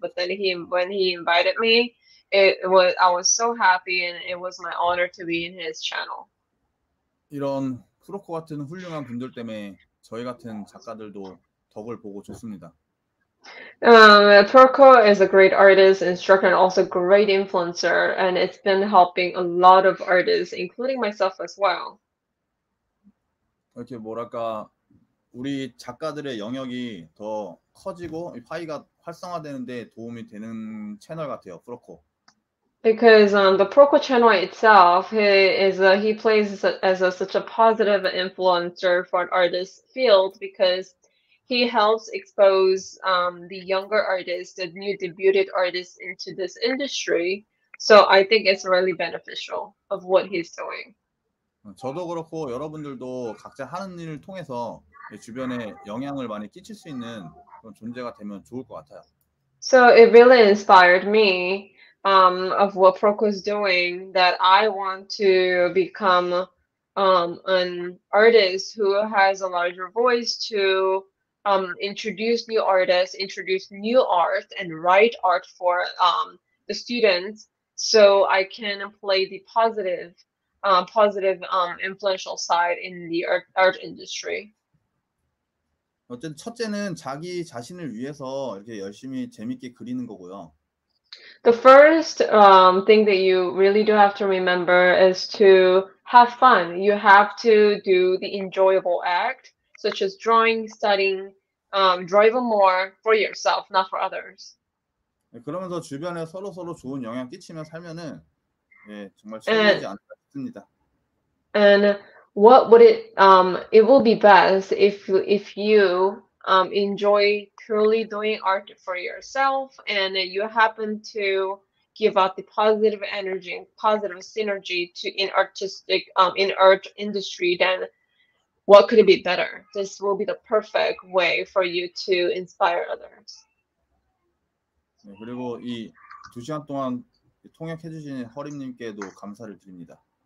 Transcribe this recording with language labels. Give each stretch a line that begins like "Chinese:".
English: But then when he invited me, I was so happy and it was my honor to be in his channel.
Korean: 이런 프로코 같은 훌륭한 분들 때문에 저희 같은 작가들도 덕을 보고 좋습니다.
English: Proko is a great artist, instructor, and also great influencer, and it's been helping a lot of artists, including myself as well.
Korean: 이렇게 뭐랄까 우리 작가들의 영역이 더 커지고 화의가 활성화되는 데 도움이 되는 채널 같아요. 프로코.
English: Because the Proko channel itself, he plays as a such a positive influencer for an artist's field because he helps expose the younger artists, the new debuted artists into this industry. So I think it's really beneficial of what he's doing.
Korean: 저도 그렇고 여러분들도 각자 하는 일을 통해서 주변에 영향을 많이 끼칠 수 있는 그런 존재가 되면 좋을 것 같아요.
English: So it really inspired me of what Proko is doing that I want to become an artist who has a larger voice to introduce new artists, introduce new art, and write art for the students so I can play the positive influential side in the art industry.
Korean: 어쨌든 첫째는 자기 자신을 위해서 이렇게 열심히 재밌게 그리는 거고요.
English: The first thing that you really do have to remember is to have fun. You have to do the enjoyable act, such as drawing, studying, driving more for yourself, not for others.
Korean: 그러면서 주변에 서로서로 좋은 영향 끼치며 살면은 예, 정말 최고이지 않을까 싶습니다.
English: what would it will be best if you enjoy truly doing art for yourself, and you happen to give out the positive energy and positive synergy to in artistic in art industry, then what could it be better? This will be the perfect way for you to inspire others.
Korean: 그리고 이두 시간 동안 통역해주신 허림님께도 감사를 드립니다.